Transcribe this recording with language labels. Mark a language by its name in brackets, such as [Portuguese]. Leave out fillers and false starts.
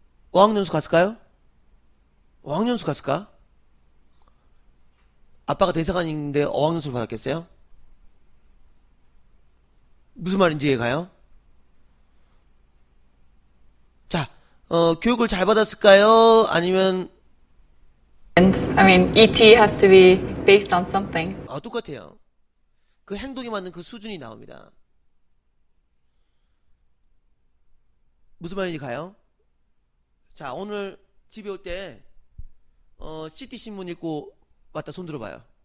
[Korean] 어학연수 갔을까요? 어학연수 갔을까? 아빠가 대사관인데 어학연수를 받았겠어요? 무슨 말인지 이해가요? 자, 교육을 잘 받았을까요? 아니면 [English] And, I mean, ET has to be based on something. [Korean] 아, 똑같아요. 그 행동에 맞는 그 수준이 나옵니다. 무슨 말인지 가요? 자, 오늘 집에 올 때, CT신문 읽고 왔다 손 들어봐요.